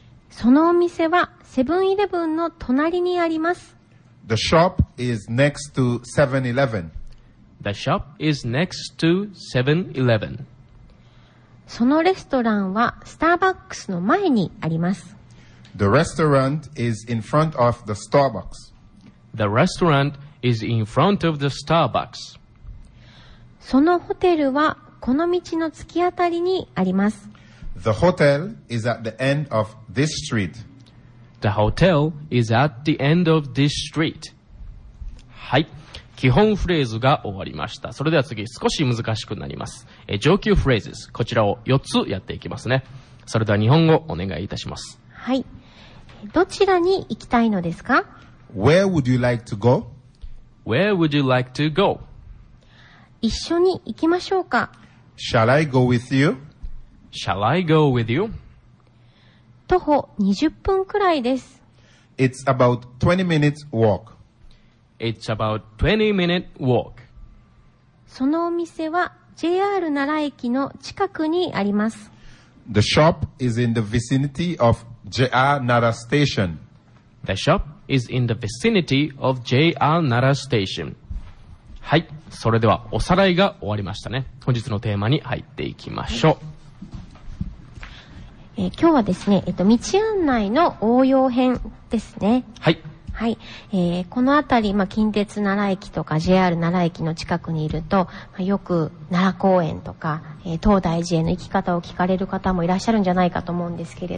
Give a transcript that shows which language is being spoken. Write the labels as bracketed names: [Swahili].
[Japanese] そのお店はセブンイレブンの隣にあります。 [English] The shop is next to 7-Eleven. The shop is next to 7-Eleven. [Japanese] そのレストランはスターバックスの前にあります。 [English] The restaurant is in front of the Starbucks. The restaurant is in front of the Starbucks. [Japanese] そのホテルはこの道の突き当たりにあります。 [English] The hotel is at the end of this street. The hotel is at the end of this street. [Japanese] はい。基本フレーズが終わりました。それでは次、少し難しくなります。上級フレーズ、こちらを4つやっていきますね。それでは日本語お願いいたします。はい。どちらに行きたいのですか？ [English] Where would you like to go? Where would you like to go? [Japanese] 一緒に行きましょうか。 [English] Shall I go with you? Shall I go with you? [Japanese] 徒歩20分くらいです。 [English] It's about 20 minutes walk. It's about 20 minute walk. [Japanese] そのお店は JR 奈良駅の近くにあります。 [English] The shop is in the vicinity of JR 奈良 station. The shopis in the vicinity of JR 奈良 station. [Japanese] はい、それではおさらいが終わりましたね。本日のテーマに入っていきましょう。今日はですね、道案内の応用編ですね。はい。はい。このあたり、まあ、近鉄奈良駅とか JR 奈良駅の近くにいると、まあ、よく奈良公園とか、東大寺への行き方を聞かれる方もいらっしゃるんじゃないかと思うんですけれども。